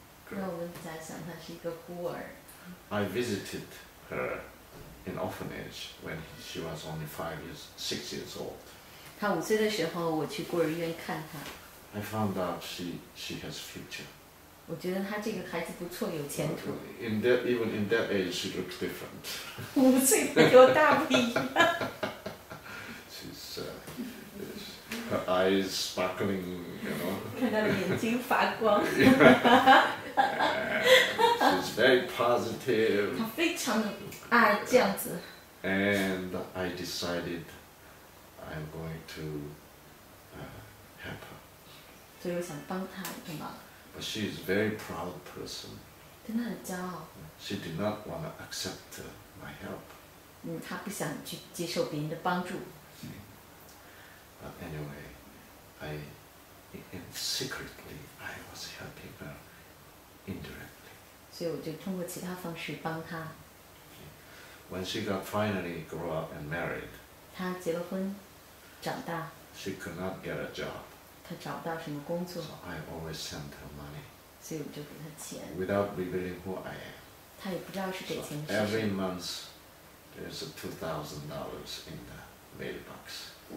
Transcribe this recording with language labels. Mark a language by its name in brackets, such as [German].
[Chinese] 那我们假想她是一个孤儿。 [English] I visited her in orphanage when she was only six years old. [Chinese] 她五岁的时候，我去孤儿院看她。 [English] I found out she has future. [Chinese] 我觉得他这个孩子不错，有前途。 [English] In that, even in that age, she looks different. [Chinese] 五岁不就大不一样。 [English] She's, her eyes sparkling, you know. [Chinese] 看她的眼睛发光。 [English] She's very positive. [Chinese] 她非常啊这样子。 [English] And I decided, I'm going to, help her. [Chinese] 所以我想帮她一个忙。 [English] But she is a very proud person. [Chinese] 但她很骄傲。 [English] She did not want to accept my help. [Chinese] 她不想去接受别人的帮助。 [English] But anyway, I secretly, I was helping her indirectly. [Chinese] 所以我就通过其他方式帮她. [English] When she got finally grew up and married, [Chinese] 她结了婚, 长大, [English] she could not get a job. [Chinese] 她找不到什么工作, [English] so I always sent her money. [Chinese] 所以我就给她钱, [English] without revealing who I am. [Chinese] 她也不知道是给钱, [English] so every month, there's $2,000 in the mailbox.